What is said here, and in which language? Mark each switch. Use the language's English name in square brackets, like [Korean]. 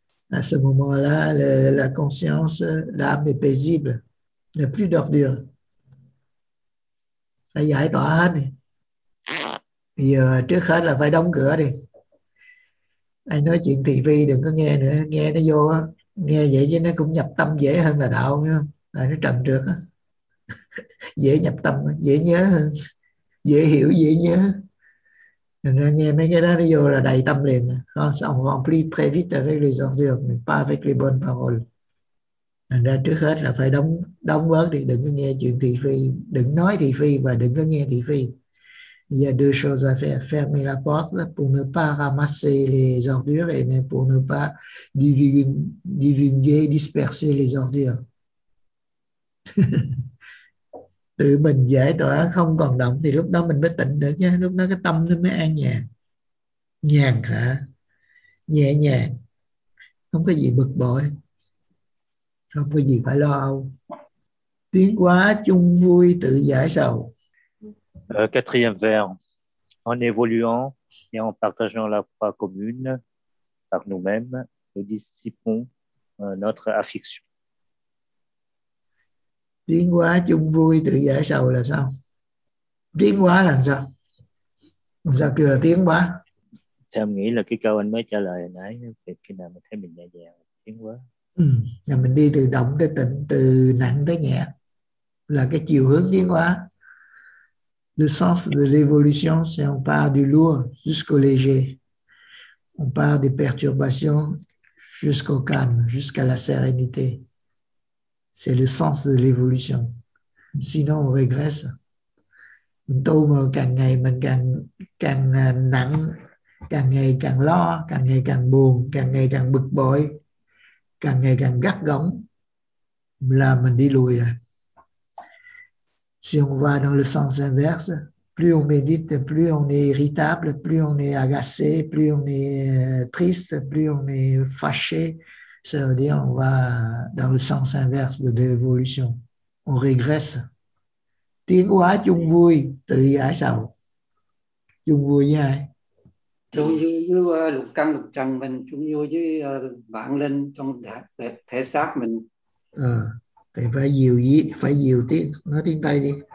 [French] À ce moment-là, la conscience, l'âme est paisible, n'a plus d'ordures. [Vietnamese] Phải giải tỏa hết đi. Bây giờ trước hết là phải đóng cửa đi. Ai nói chuyện thị phi đừng có nghe nữa, nghe nó vô á, nghe vậy chứ nó cũng nhập tâm dễ hơn là đạo nha, tại nó trầm trược á. Dễ nhập tâm, dễ nhớ hơn, dễ hiểu, dễ nhớ. Nên nghe mấy cái đó nó vô là đầy tâm liền. [French] On remplit très vite avec les ordures, pas avec les bonnes paroles. [Vietnamese] Nên ra trước hết là phải đóng bớt đi, đừng có nghe chuyện thị phi, đừng nói thị phi và đừng có nghe thị phi. [French] Il y a deux choses à faire. Fermer la porte pour ne pas ramasser les ordures et pour ne pas divulguer, disperser les ordures. [Vietnamese] Tự mình giải tỏa không còn động thì lúc đó mình mới tỉnh được nha. Lúc đó cái tâm nó mới an nhàn. Nhàn hả? Nhẹ nhàng. Không có gì bực bội. Không có gì phải lo âu. Tiến quá chung vui tự giải sầu. [French] Quatrième vers. En évoluant et en partageant la foi commune par nous-mêmes, nous dissipons notre affliction. [Vietnamese] Tiến hóa chung vui tự giải sầu là sao? Tiến hóa là sao? Sao kêu là tiến hóa? Thì em nghĩ là cái câu anh mới trả lời hồi nãy, khi nào mình thấy mình nhẹ nhàng, tiến hóa. Là mình đi từ động tới tịnh, từ nặng tới nhẹ, là cái chiều hướng tiến hóa. [French] Le sens de l'évolution, c'est on part du lourd jusqu'au léger. On part des perturbations jusqu'au calme, jusqu'à la sérénité. C'est le sens de l'évolution. Sinon, on régresse. [Vietnamese] Tôi mà càng ngày mình càng nặng, càng ngày càng lo, càng ngày càng buồn, càng ngày càng bực bội, càng ngày càng gắt gỏng, là mình đi lùi rồi. [French] Si on va dans le sens inverse, plus on médite, plus on est irritable, plus on est agacé, plus on est triste, plus on est fâché, ça veut dire on va dans le sens inverse de l'évolution. On régresse. [Vietnamese] Tiến hóa chung vui, tự giải sầu. Chung vui nha. Chung vui với lục căn lục trần mình, chung vui với bản linh trong thể xác mình. Thì phải nhiều ý, phải nhiều tiếng, nói tiếng Tây đi.